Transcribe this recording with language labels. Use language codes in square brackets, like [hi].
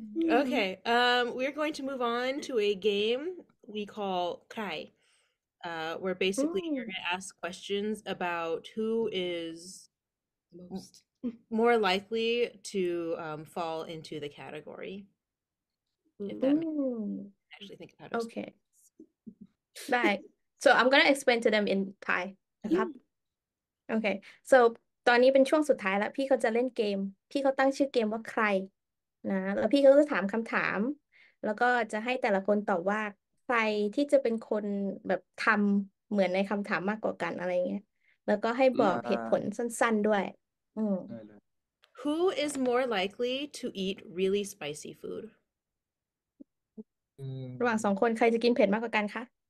[en] Okay, we're going to move on to a game we call Kai, where basically you're going to ask questions about who is most more likely to fall into the category. If that makes sense. Actually think about it. Okay. Bye. So I'm going to explain to them in Thai. Okay. [th] So ตอนนี้เป็นช่วงสุดท้ายแล้วพี่เขาจะเล่นเกมพี่เขาตั้งชื่อเกมว่าใครนะแล้วพี่เขาจะถามคำถามแล้วก็จะให้แต่ละคนตอบว่าใครที่จะเป็นคนแบบทําเหมือนในคำถามมากกว่ากันอะไรเงี้ยแล้วก็ให้บอกเหตุผลสั้นๆด้วย [en] Who is more likely to eat really spicy food? [th] ระหว่างสองคนใครจะกินเผ็ดมากกว่ากันคะ